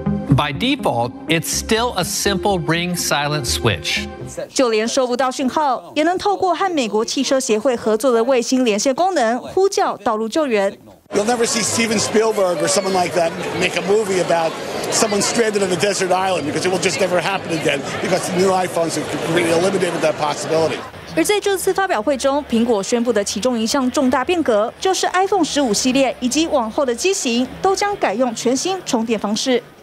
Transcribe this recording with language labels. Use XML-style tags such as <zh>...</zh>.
<en>By default, it's still a simple ring silent switch.</en> <zh>就连收不到讯号，也能透过和美国汽车协会合作的卫星连线功能呼叫道路救援。</zh> <en>You'll never see Steven Spielberg or someone like that make a movie about someone stranded on a desert island because it will just never happen again because the new iPhones have completely eliminated that possibility.</en> <zh>而在这次发表会中，苹果宣布的其中一项重大变革，就是 iPhone 15系列以及往后的机型都将改用全新充电方式。</zh>